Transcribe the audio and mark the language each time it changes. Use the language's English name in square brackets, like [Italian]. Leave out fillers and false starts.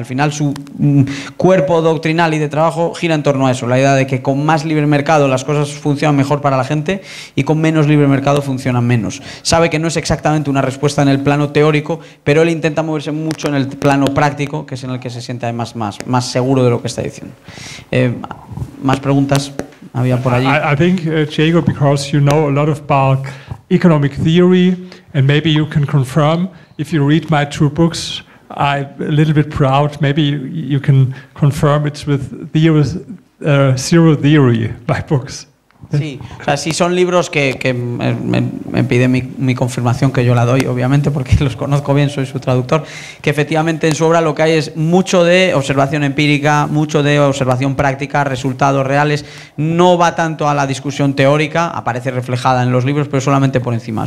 [Spanish] Al final, su cuerpo doctrinal y de trabajo gira en torno a eso, la idea de que con más libre mercado las cosas funcionan mejor para la gente y con menos libre mercado funcionan menos. Sabe que no es exactamente una respuesta en el plano teórico, pero él intenta moverse mucho en el plano práctico, que es en el que se siente además más seguro de lo que está diciendo. ¿Más preguntas? [English] I think, Diego, because you know a lot about economic theory, and maybe you can confirm, if you read my two books, I'm a little bit proud, maybe you can confirm it's with Zero Theory, my books. [Spanish] Sí, o sea, sí son libros que me pide mi confirmación, que yo la doy, obviamente, porque los conozco bien, soy su traductor, que efectivamente en su obra lo que hay es mucho de observación empírica, mucho de observación práctica, resultados reales. No va tanto a la discusión teórica, aparece reflejada en los libros, pero solamente por encima.